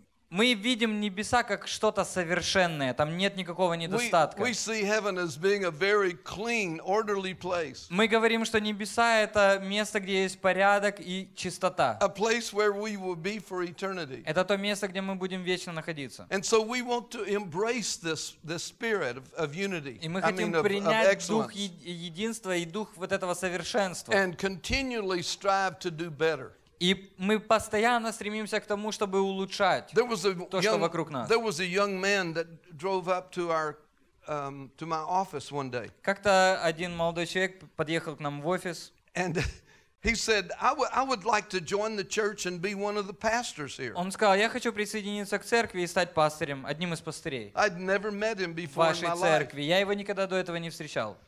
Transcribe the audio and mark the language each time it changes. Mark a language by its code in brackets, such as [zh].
[ru] Мы видим небеса как что-то совершенное. Там нет никакого недостатка. [en] We see heaven as being a very clean, orderly place. [ru] Мы говорим, что небеса это место, где есть порядок и чистота. [en] A place where we will be for eternity. [ru] Это то место, где мы будем вечно находиться. [en] And so we want to embrace this spirit of unity. [ru] И мы хотим принять дух единства и дух вот этого совершенства. [en] And continually strive to do better. [ru] И мы постоянно стремимся к тому, чтобы улучшать то, что вокруг нас. [en] There was a young man that drove up to our to my office one day. [ru] Как-то один молодой человек подъехал к нам в офис. [en] And he said, I would like to join the church and be one of the pastors here. [ru] Он сказал, я хочу присоединиться к церкви и стать пастырем, одним из пастырей. [en] I'd never met him before in my life. [ru] В вашей церкви я его никогда до этого не встречал.